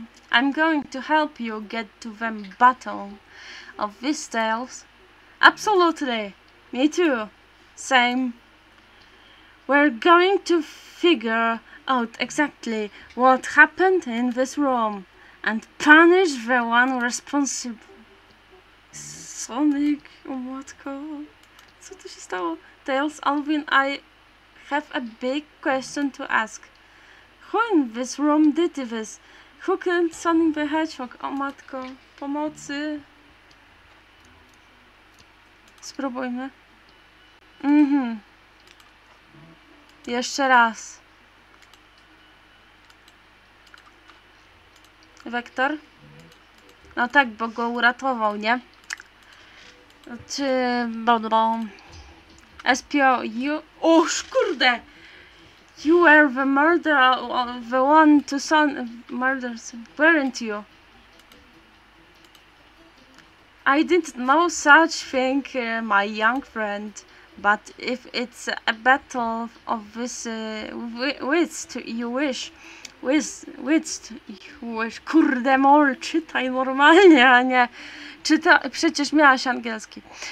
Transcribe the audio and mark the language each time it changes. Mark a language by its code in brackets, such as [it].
[en] I'm going to help you get to the bottom of these tales. Absolutely. Me too. Same. We're going to figure out exactly what happened in this room and punish the one responsible. [pl] Sonic, matko, co to się stało? [en] Tails, Alvin, I have a big question to ask. Who in this room did this? Who killed Sonic the Hedgehog? [pl] O matko, pomocy. Spróbujmy. Jeszcze raz. Wektor? No tak, bo go uratował, nie? Czy... Bo. Espio, you... O, kurde! [en] You were the murderer, the one to son... Murders, weren't you? I didn't know such thing, my young friend. But if it's a battle of this wits, [pl] kurde mol, czytaj normalnie, a nie, czyta, przecież miałaś angielski.